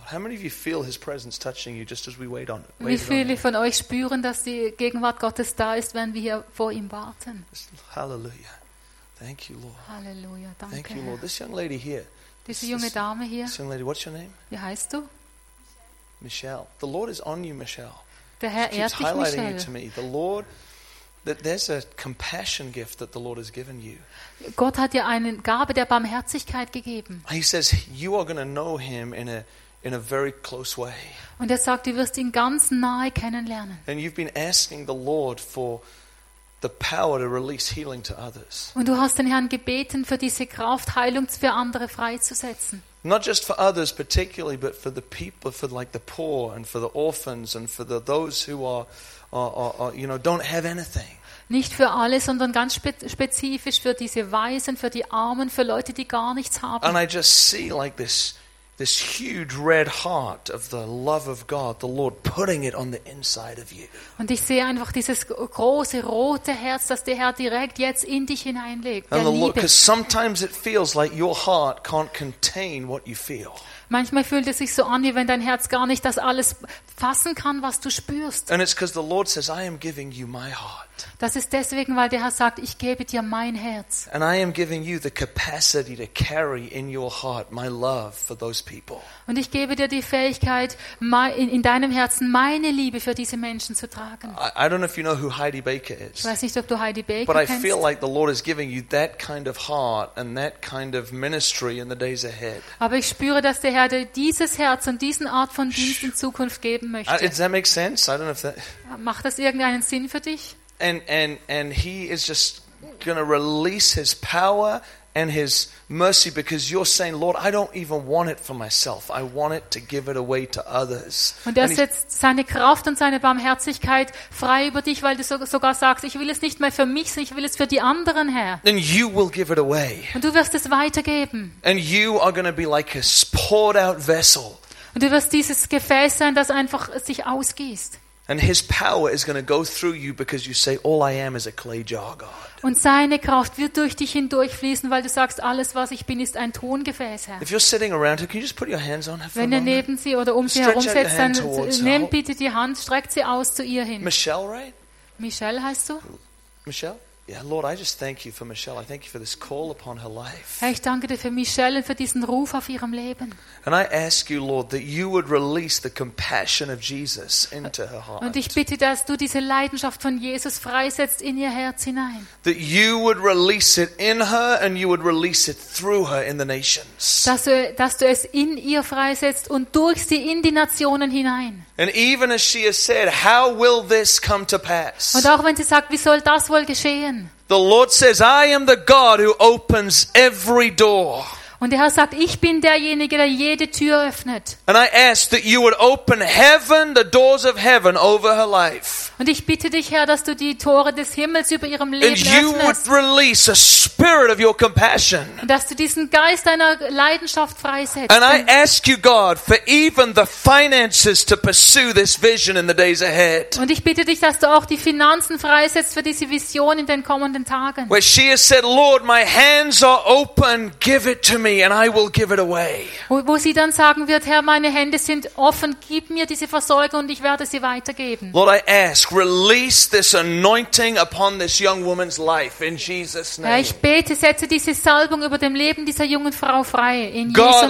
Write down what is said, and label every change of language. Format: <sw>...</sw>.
<en>How many of you feel His presence touching you just as we wait on it?</en> <de>Wie viele von euch spüren, dass die Gegenwart Gottes da ist, wenn wir hier vor ihm warten?</de> <en>Hallelujah. Thank you, Lord.</en> <de>Hallelujah. Danke.</de> <en>Thank you, Lord. This young lady here.</en> <de>Diese junge Dame hier.</de> <en>This young lady. What's your name?</en> <de>Wie heißt du?</de> <en>Michelle. The Lord is on you, Michelle.</en> <de>Der Herr ehrt dich, Michelle.</de> <en>He's highlighting you to me. The Lord. That there's a compassion gift that the Lord has given you.</en> <de>Gott hat dir eine Gabe der Barmherzigkeit gegeben.</de> <en>He says you are going to know Him in a very close way.</en> <de>Und er sagt, du wirst ihn ganz nahe kennenlernen.</de> <en>And you've been asking the Lord for the power to release healing to others.</en> <de>Und du hast den Herrn gebeten, für diese Kraft Heilung für andere freizusetzen.</de> <en>Not just for others particularly, but for the people, for like the poor and for the orphans and for the those who are. Or, don't have anything.</en> <de>Nicht für alle, sondern ganz spezifisch für diese Waisen, für die Armen, für Leute, die gar nichts haben.</de> <en>And I just see like this huge red heart of the love of God, the Lord putting it on the inside of you.</en> <de>Und ich sehe einfach dieses große rote Herz, das der Herr direkt jetzt in dich hineinlegt.</de> <en>And the Lord, because sometimes it feels like your heart can't contain what you feel.</en> <de>Manchmal fühlt es sich so an, wie wenn dein Herz gar nicht das alles fassen kann, was du spürst.</de> <en>And it's 'cause the Lord says, I am giving you my heart.</en> <de>Das ist deswegen, weil der Herr sagt, ich gebe dir mein Herz.</de> <en>And I am giving you the capacity to carry in your heart my love for those people.</en> <de>Und ich gebe dir die Fähigkeit, in deinem Herzen meine Liebe für diese Menschen zu tragen.</de> <en>I don't know if you know who Heidi Baker is.</en> <de>Ich weiß nicht, ob du Heidi Baker</de> <en>but</en> <de>kennst.</de> <en>But I feel like the Lord is giving you that kind of heart and that kind of ministry in the days ahead.</en> <de>Aber ich spüre, dass der Herr dir dieses Herz und diesen Art von Dienst in Zukunft geben möchte.</de> <en>Does that make sense? I don't know if that.</en> <de>Macht das irgendeinen Sinn für dich?</de> <en>And he is just going to release his power and his mercy because you're saying, Lord, I don't even want it for myself. I want it to give it away to others.</en> <de>Und er setzt seine Kraft und seine Barmherzigkeit frei über dich, weil du sogar sagst, ich will es nicht mehr für mich, ich will es für die anderen, Herr.</de> <en>And you will give it away.</en> <de>Und du wirst es weitergeben.</de> <en>And you are going to be like a poured out vessel.</en> <de>Und du wirst dieses Gefäß sein, das einfach sich ausgießt.</de> <en>And his power is going to go through you because you say all I am is a clay jar, God.</en> <de>Und seine Kraft wird durch dich hindurchfließen, weil du sagst, alles was ich bin ist ein Tongefäß, Herr.</de> <en>If you're sitting around her, can you just put your hands on her for a moment?</en> <de>Wenn du neben sie oder um sie herum sitzt, dann nimm bitte die Hand, streck sie aus zu ihr hin.</de> <en>Michelle, right?</en> <de>Michelle heißt du?</de> <en>Michelle? Yeah, Lord, I just thank you for Michelle. I thank you for this call upon her life.</en> <de>Ich danke dir für Michelle und für diesen Ruf auf ihrem Leben.</de> <en>And I ask you, Lord, that you would release the compassion of Jesus into her heart.</en> <de>Und ich bitte, dass du diese Leidenschaft von Jesus freisetzt in ihr Herz hinein.</de> <en>That you would release it in her and you would release it through her in the nations.</en> <de>Dass du es in ihr freisetzt und durch sie in die Nationen hinein.</de> <en>And even as she has said, how will this come to pass?</en> <de>Und auch wenn sie sagt, wie soll das wohl geschehen?</de> <en>The Lord says, I am the God who opens every door.</en> <de>Und der Herr sagt, ich bin derjenige, der jede Tür öffnet.</de> <en>And I ask that you would open heaven, the doors of heaven over her life.</en> <de>Und ich bitte dich, Herr, dass du die Tore des Himmels über ihrem Leben öffnest.</de> <en>And you would release a spirit of your compassion.</en> <de>Und dass du diesen Geist deiner Leidenschaft freisetzt.</de> <en>And I ask you, God, for even the finances to pursue this vision in the days ahead.</en> <de>Und ich bitte dich, dass du auch die Finanzen freisetzt für diese Vision in den kommenden Tagen.</de> <en>Where she has said, Lord, my hands are open, give it to me and I will give it away.</en> <de>Wo sie dann sagen wird, Herr, meine Hände sind offen, gib mir diese Versorgung und ich werde sie weitergeben.</de> <en>Lord, I ask, release this anointing upon this young woman's life in Jesus' name.</en> <de>Ich bete, setze diese Salbung über dem Leben dieser jungen Frau frei in Jesu Namen.</de>